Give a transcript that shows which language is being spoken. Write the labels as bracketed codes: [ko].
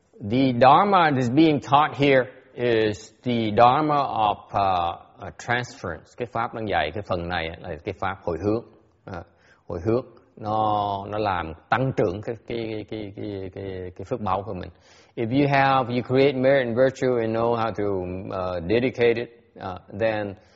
[en] The Dharma that is being taught here is the Dharma of transference. [vi] Cái pháp đang dạy, cái phần này là cái pháp hồi hướng. Hồi hướng. Nó làm tăng trưởng cái phước báo của mình. [en] If you have, you create merit and virtue and know how to dedicate it, then